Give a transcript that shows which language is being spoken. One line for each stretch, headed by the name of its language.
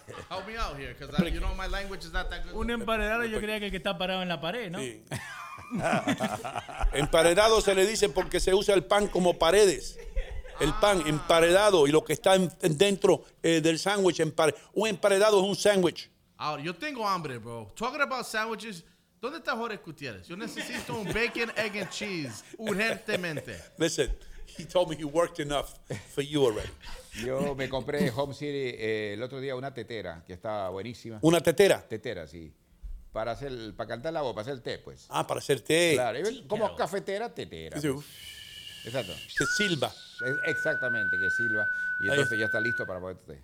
English: Help me out here, because you know my language is not that good.
Spanish: Un emparedado, yo creía que el que está parado en la pared, ¿no? Sí. Emparedado se le dice porque se usa el pan como paredes. El pan emparedado y lo que está dentro del sándwich. Un emparedado es un sándwich. Ahora, yo tengo hambre, bro.
English: Talking about sandwiches.
Spanish: ¿Dónde está Jorge Gutiérrez? Yo necesito un bacon, egg and cheese urgentemente.
English: Listen. He told me he worked enough for you already.
Spanish: Yo me compré Home City el otro día una tetera que estaba buenísima. ¿Una tetera? Tetera, sí. Para cantar la voz, para hacer té, pues. Ah, para hacer té. Claro. Como cafetera, tetera. Sí. Exacto. Que silba. Exactamente, que silba. Y entonces ya está listo para poner té.